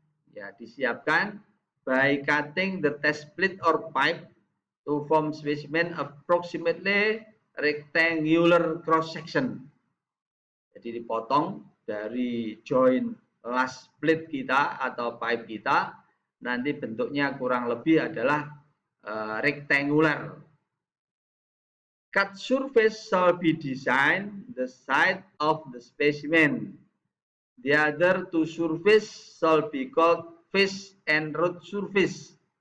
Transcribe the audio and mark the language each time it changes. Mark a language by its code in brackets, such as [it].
[id] Ya, disiapkan [en] by cutting the test plate or pipe to form specimen approximately rectangular cross section. [id] Jadi dipotong dari joint last plate kita atau pipe kita, nanti bentuknya kurang lebih adalah rectangular. [en] Cut surface shall be designed the side of the specimen. The other two surface shall be called face and root surface.